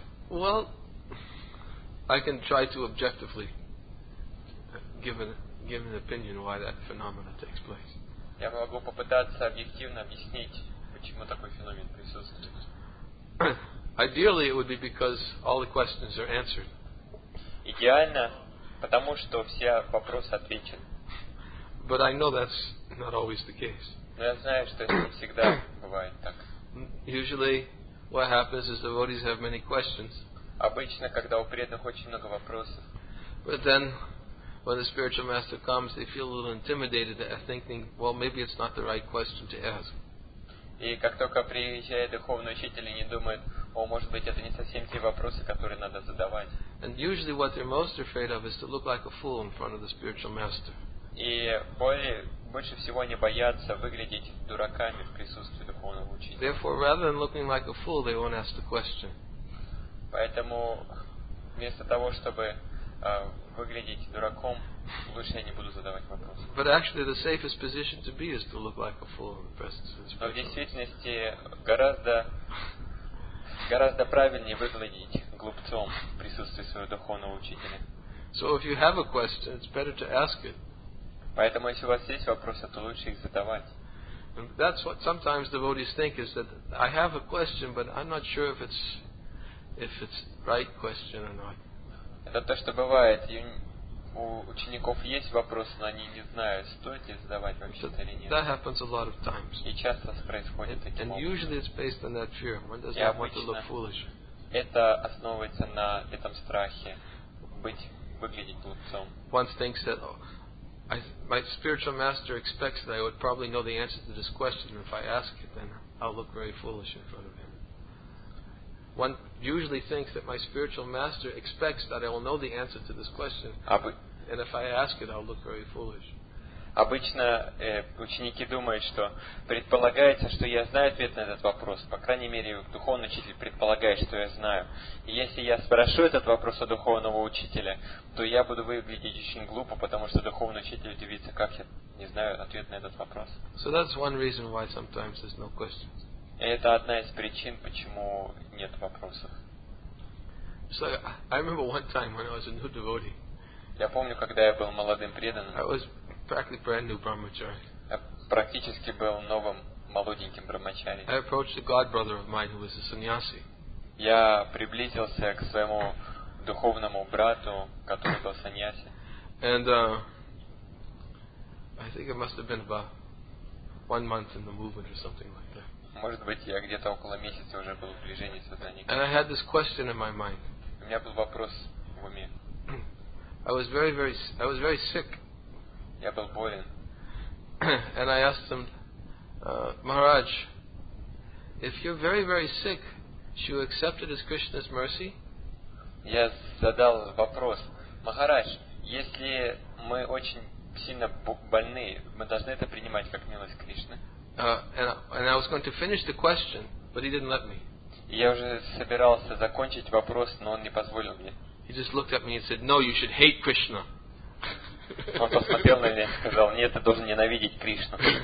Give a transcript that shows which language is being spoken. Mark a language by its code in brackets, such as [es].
[en] Well, I can try to objectively give an opinion why that phenomenon takes place. [ru] Я могу попытаться объективно объяснить, почему такой феномен присутствует. [en] Ideally, it would be because all the questions are answered. [ru] Идеально, потому что все вопросы отвечены. [en] But I know that's not always the case. [ru] Но я знаю, что это не всегда бывает так. [en] Usually, what happens is the devotees have many questions. [ru] Обычно, когда у преданных очень много вопросов. [en] But then, when the spiritual master comes, they feel a little intimidated, thinking, well, maybe it's not the right question to ask. [ru] И как только приезжает духовный учитель, они думают, о, может быть, это не совсем те вопросы, которые надо задавать. [en] And usually, what they're most afraid of is to look like a fool in front of the spiritual master. [ru] И больше всего они боятся выглядеть дураками в присутствии духовного учителя. [en] Therefore, rather than looking like a fool, they won't ask the question. [ru] Поэтому вместо того, чтобы выглядеть дураком, лучше я не буду задавать вопросы. [en] But actually, the safest position to be is to look like a fool in the presence of the spiritual master. [ru] Но в действительности гораздо правильнее выглядеть глупцом в присутствии своего духовного учителя. [en] So if you have a question, it's better to ask it. [ru] Поэтому, если у вас есть вопросы, то лучше их задавать. [en] That's what sometimes devotees think is that I have a question, but I'm not sure if it's right question or not. [ru] Это то, что бывает. У учеников есть вопросы, но они не знают, стоит ли задавать вообще-то или нет. [en] That happens a lot of times. [ru] И часто происходит таким образом. [en] And usually it's based on that fear. One does not want to look foolish. [ru] Это основывается на этом страхе выглядеть глупцом. [en] One thinks that, oh, my spiritual master expects that I would probably know the answer to this question, and if I ask it, then I'll look very foolish in front of him. One usually thinks that my spiritual master expects that I will know the answer to this question, and if I ask it, I'll look very foolish. [ru] Обычно ученики думают, что предполагается, что я знаю ответ на этот вопрос. По крайней мере, духовный учитель предполагает, что я знаю. И если я спрошу этот вопрос у духовного учителя, то я буду выглядеть очень глупо, потому что духовный учитель удивится, как я не знаю ответ на этот вопрос. [en] So that's one reason why sometimes there's no questions. [ru] И это одна из причин, почему нет вопросов. [en] So I remember one time when I was a new devotee. [ru] Я помню, когда я был молодым преданным. [en] Practically brand new brahmachari. [ru] Я практически был новым молоденьким брахмачари. [en] I approached a god brother of mine who was a sannyasi. [ru] Я приблизился к своему духовному брату, который был саньяси. [en] And I think it must have been about 1 month in the movement or something like that. [ru] Может быть, я где-то около месяца уже был в движении сознания. [en] And I had this question in my mind. [ru] У меня был вопрос в уме. [en] I was very sick. [ru] Я был болен. [en] And I asked him, Maharaj, if you're very, very sick, should you accept it as Krishna's mercy? [ru] Я задал вопрос. Махарадж, если мы очень сильно больны, мы должны это принимать как милость Кришны? [en] And I was going to finish the question, but he didn't let me. [ru] Я уже собирался закончить вопрос, но он не позволил мне. [en] He just looked at me and said, no, you should hate Krishna. [ru] Он посмотрел на меня и сказал, нет, ты должен ненавидеть Кришну.